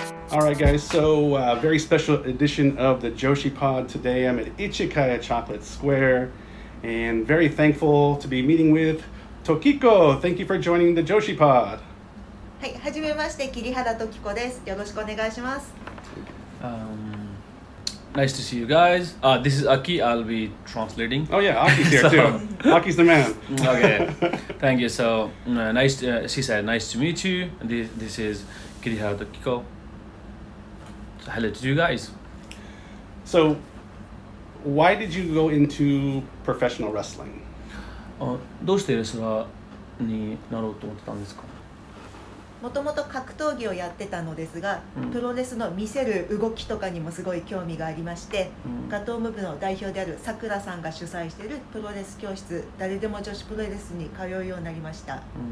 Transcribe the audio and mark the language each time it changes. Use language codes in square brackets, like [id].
[en] All right, guys. So, very special edition of the Joshi Pod today. I'm at Ichikaya Chocolate Square, and very thankful to be meeting with Tokiko. Thank you for joining the Joshi Pod. [ja] はじめまして、キリハラトキコです。よろしくお願いします。 [en] Nice to see you guys. This is Aki. I'll be translating. Oh, yeah. Aki's here, too. Aki's the man. Okay. Thank you. So, she said, nice to meet you. And this is Kirihara Tokiko. So, hello to you guys. So, why did you go into professional wrestling? [ja] どうしてレスラーになろうと思ってたんですか? もともと格闘技をやってたのですが、プロレスの見せる動きとかにもすごい興味がありまして、ガトームブの代表であるさくらさんが主催しているプロレス教室、誰でも女子プロレスに通うようになりました。